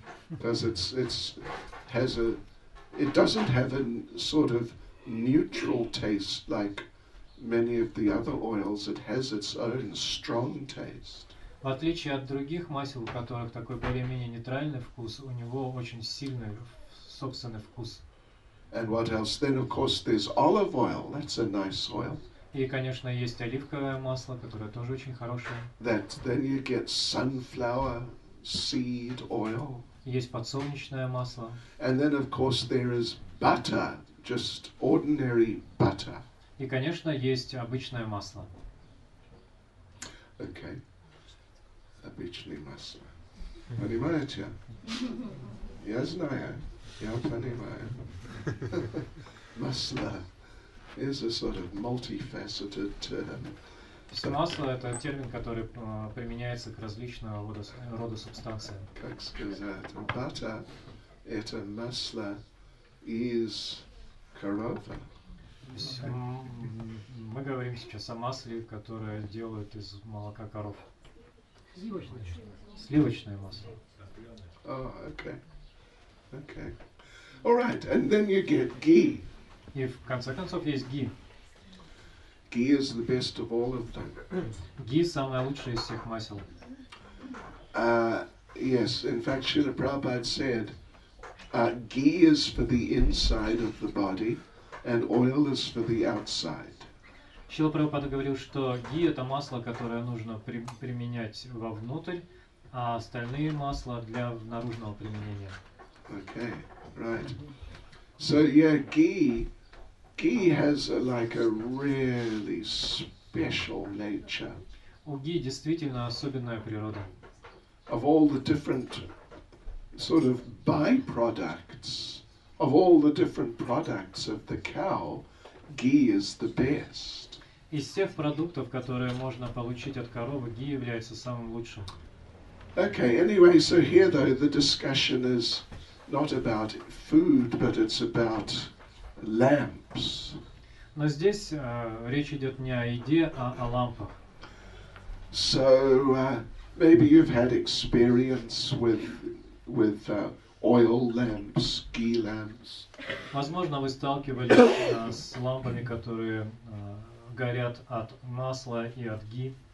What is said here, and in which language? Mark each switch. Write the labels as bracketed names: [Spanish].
[English] Because it doesn't have a sort of neutral taste like many of the other oils. It has its own strong taste. [Russian] В отличие от других масел, у которых такой более-менее нейтральный вкус, у него очень сильный собственный вкус. [English] And what else? Then, of course, there's olive oil. That's a nice oil. [Russian] И, конечно, есть оливковое масло, которое тоже очень хорошее. [English] That, then you get sunflower seed oil. [Russian] Есть подсолнечное масло. [English] And then, of course, there is butter, just ordinary butter. [Russian] И, конечно, есть обычное масло. Okay. Обычный масло. Понимаете? Я знаю. Я понимаю. [English] Масло is a sort of multifaceted term. [Russian] Масло — это термин, который применяется к различного рода субстанциям. Как сказать? Butter — это масло из корова. Мы говорим сейчас о масле, которое делают из молока коров. Сливочное масло. [English] Oh, okay. Okay. All right, and then you get ghee. [Russian] И в конце концов есть ghee. [English] Ghee is the best of all of them. [Russian] Ghee самое лучшее из всех масел. [English] Yes, in fact, Srila Prabhupada said, ghee is for the inside of the body, and oil is for the outside. [Russian] Шрила Прабхупада говорил, что ги – это масло, которое нужно применять вовнутрь, а остальные масла – для наружного применения. [English] Okay, right. So, yeah, ghee has a really special nature. [Russian] У ги действительно особенная природа. [English] Of all the different sort of byproducts of all the different products of the cow, ghee is the best. [Russian] Из всех продуктов, которые можно получить от коровы, ghee является самым лучшим. [English] Okay, anyway, so here though the discussion is not about food, but it's about lamps. [Russian] Но здесь речь идет не о еде, а о лампах. [English] So maybe you've had experience with oil lamps, ghee lamps. [Russian] Возможно, вы сталкивались с лампами, которые горят от масла и от ghee.